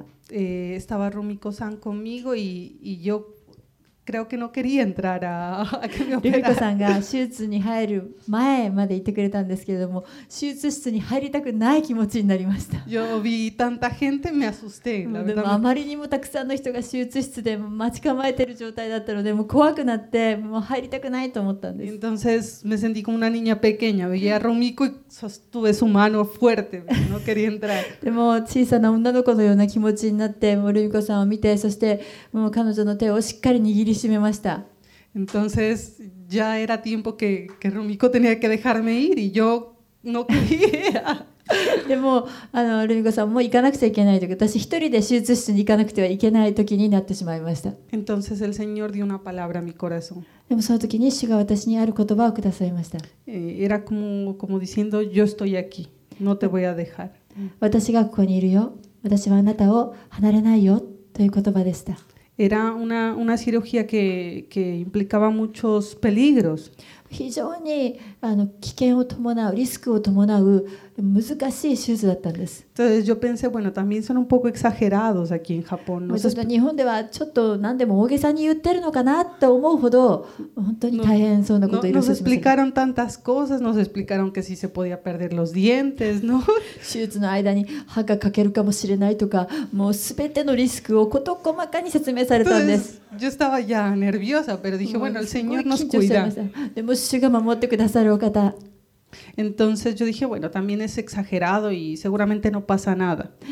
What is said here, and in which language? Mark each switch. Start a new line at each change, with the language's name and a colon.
Spanish: Estaba Rumiko-san conmigo y yo creo que no quería entrar a que me operara.
Japanese: Rumiko-san が手術に入る前までいてくれたんですけれども、手術室に入りたくない気持ちになりました。
Spanish: Yo vi tanta gente, me asusté.
Japanese: でもあまりにもたくさんの人が手術室で待ち構えてる状態だったので、もう怖くなってもう入りたくないと思ったんです。
Spanish: Entonces me sentí como una niña pequeña. Veía a Rumiko y sostuve su mano fuerte. No quería entrar.
Japanese: でも小さな女の子のような気持ちになって、もう Rumiko-san を見て、そしてもう彼女の手をしっかり握り引き締めました。
Spanish: Entonces ya era tiempo que Rumiko tenía que dejarme ir y yo no quería.
Japanese: でも、Rumiko-san もう行かなくちゃいけないとき、私一人で手術室に行かなくてはいけないときになってしまいました。
Spanish: Entonces el Señor dio una palabra a mi corazón.
Japanese: でもそのときに主が私にある言葉をくださいました。
Spanish: Era como diciendo yo estoy aquí, no te voy a dejar.
Japanese: 私がここにいるよ、私はあなたを離れないよという言葉でした。
Spanish: Era una cirugía que implicaba muchos peligros.
Japanese: 非常に危険を伴う、リスクを伴う難しい手術だったんです。
Spanish: Entonces yo pensé, bueno, también son un poco exagerados aquí en Japón.
Japanese: ちょっと日本ではちょっと何でも大げさに言ってるのかなと思うほど本当に大変そうなこと。
Spanish: Nos explicaron tantas cosas, nos explicaron que si se podía perder los dientes, ¿no?
Japanese: 手術の間に歯が欠けるかもしれないとか、もうすべてのリスクをこと細かに説明されたんです。
Spanish: Yo estaba ya nerviosa, pero dije, bueno, el Señor nos cuida.
Japanese: でも主が守ってくださるお方。
Spanish: Entonces yo dije, bueno, también es exagerado y seguramente no pasa nada.